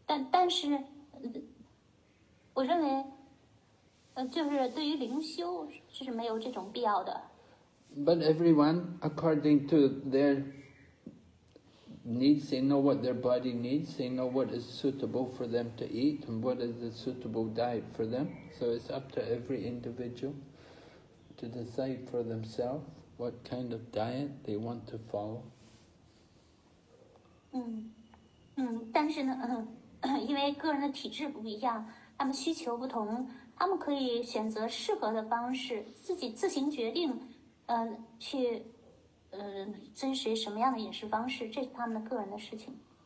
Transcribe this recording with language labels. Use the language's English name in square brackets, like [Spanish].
[Chinese] 但是，我认为，就是对于灵修是没有这种必要的。 [English] But everyone, according to their needs, they know what their body needs, they know what is suitable for them to eat and what is a suitable diet for them. So it's up to every individual to decide for themselves what kind of diet they want to follow. [Chinese] 但是呢，因为个人的体质不一样，他们需求不同，他们可以选择适合的方式，自己自行决定，去遵循什么样的饮食方式，这是他们的个人的事情。